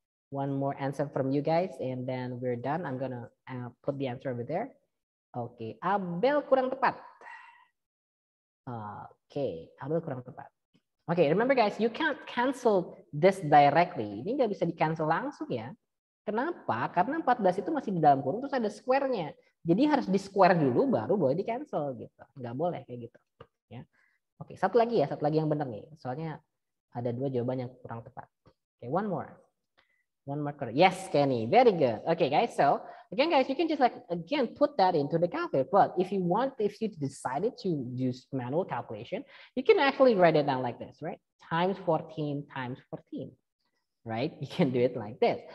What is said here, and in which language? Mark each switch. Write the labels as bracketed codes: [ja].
[en] One more answer from you guys, and then we're done. I'm gonna put the answer over there. Oke, okay. Abel [id] kurang tepat. [en] Oke, okay. Abel kurang tepat. Oke, okay, remember guys, you can't cancel this directly. [id] Ini nggak bisa di-cancel langsung ya. Kenapa? Karena 14 itu masih di dalam kurung, terus ada square-nya. Jadi harus di-square dulu, baru boleh di-cancel gitu. Nggak boleh kayak gitu. Ya. Oke, okay, satu lagi ya, satu lagi yang benar nih. Soalnya ada dua jawaban yang kurang tepat. [en] Oke, okay, one more. One marker. Yes, Kenny. Very good. Okay, guys. So, again, guys, you can just like, again, put that into the calculator. But if you want, if you decided to use manual calculation, you can actually write it down like this, right? Times 14 times 14, right? You can do it like this.